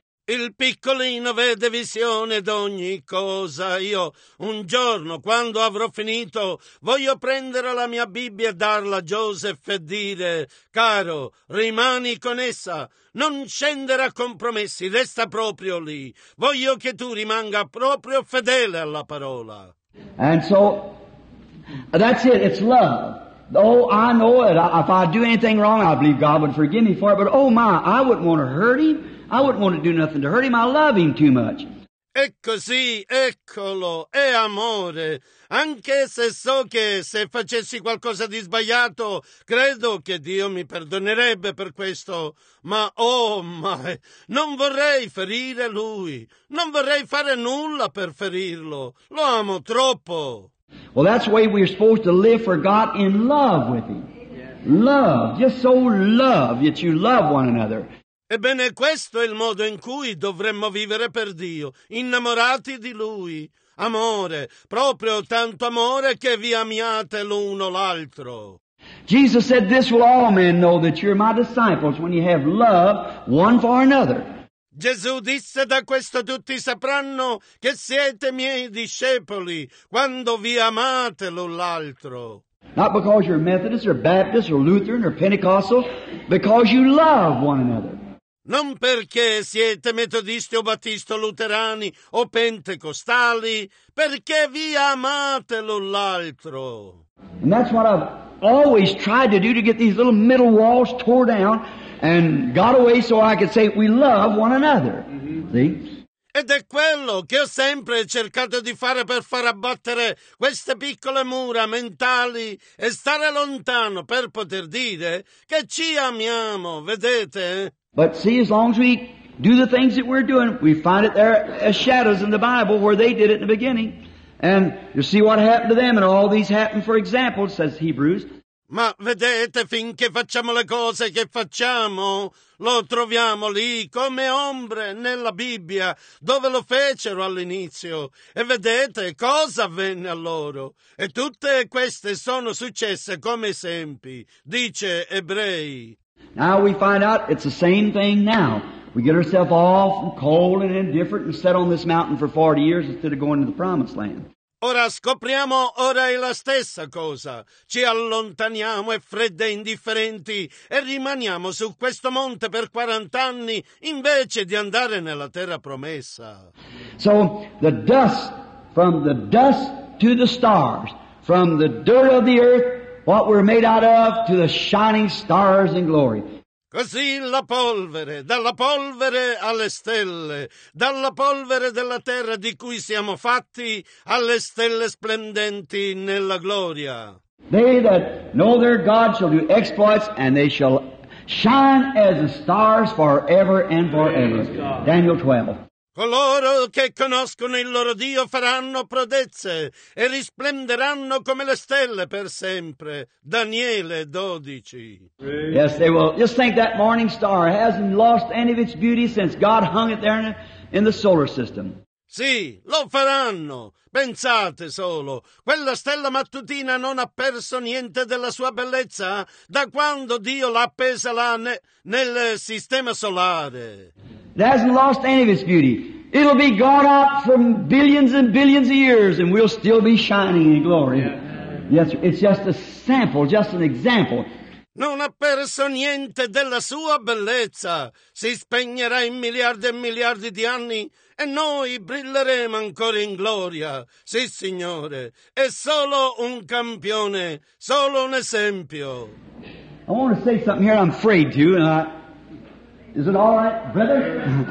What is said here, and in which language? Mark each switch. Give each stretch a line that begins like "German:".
Italian: Il piccolino vede visione d'ogni cosa. Io un giorno, quando avrò finito, voglio prendere la mia Bibbia e darla a Joseph e dire: caro, rimani con essa, non scendere a compromessi, resta proprio lì. Voglio che tu rimanga proprio fedele alla parola.
English: And so, that's it, it's love. Oh, I know it. If I do anything wrong, I believe God would forgive me for it. But oh my, I wouldn't want to hurt him. I wouldn't want to do nothing to hurt him. I love him too much.
Italian: E così, eccolo, è amore. Anche se so che se facessi qualcosa di sbagliato, credo che Dio mi perdonerebbe per questo. Ma
English: oh my,
Italian: non vorrei ferire lui. Non vorrei fare nulla per ferirlo. Lo amo troppo.
English: Well, that's the way we're supposed to live for God, in love with Him. Love, just so love that you love one another.
Italian: Ebbene, questo è il modo in cui dovremmo vivere per Dio, innamorati di Lui. Amore, proprio tanto amore che vi amiate l'uno l'altro.
English: Jesus said, this will all men know that you're my disciples when you have love one for another.
Italian: Gesù disse, da questo tutti sapranno che siete miei discepoli quando vi amate l'un l'altro.
English: Not because you're Methodist or Baptist or Lutheran or Pentecostal, because you love one another.
Italian: Non perché siete metodisti o battisti o luterani o pentecostali, perché vi amate l'un l'altro.
English: And that's what I've always tried to do, to get these little middle walls tore down and got away so I could say we love one another. See?
Italian: Ed è quello che ho sempre cercato di fare per far abbattere queste piccole mura mentali e stare lontano per poter dire che ci amiamo, vedete?
English: But see, as long as we do the things that we're doing, we find it there as shadows in the Bible where they did it in the beginning. And you see what happened to them, and all these happened for examples, says Hebrews.
Italian: Ma vedete, finché facciamo le cose che facciamo, lo troviamo lì come ombre nella Bibbia, dove lo fecero all'inizio. E vedete cosa avvenne a loro. E tutte queste sono successe come esempi, dice Ebrei.
English: Now we find out it's the same thing now. We get ourselves off and cold and indifferent and set on this mountain for 40 years instead of going to the promised land.
Italian: Ora scopriamo, ora è la stessa cosa. Ci allontaniamo e fredde e indifferenti e rimaniamo su questo monte per 40 anni invece di andare nella terra promessa.
English: So the dust, from the dust to the stars, from the dirt of the earth, what we're made out of, to the shining stars in glory.
Italian: Così la polvere, dalla polvere alle stelle, dalla polvere della terra di cui siamo fatti, alle stelle splendenti nella gloria.
English: They that know their God shall do exploits, and they shall shine as the stars forever and forever. Daniel 12.
Italian: Coloro che conoscono il loro Dio faranno prodezze e risplenderanno come le stelle per sempre. Daniele 12.
English: Yes, they will. Just think, that morning star hasn't lost any of its beauty since God hung it there in the solar system.
Italian: Sì, lo faranno. Pensate solo, quella stella mattutina non ha perso niente della sua bellezza da quando Dio l'ha appesa là nel sistema solare.
English: It hasn't lost any of its beauty. It'll be gone out from billions and billions of years, and we'll still be shining in glory. Yes, it's just a sample, just an example.
Italian: Non ha perso niente della sua bellezza. Si spegnerà in miliardi e miliardi di anni, e noi brilleremo ancora in gloria. Sì, Signore, è solo un campione, solo un esempio.
English: I want to say something here, I'm afraid to, and I... Is it all right, brother?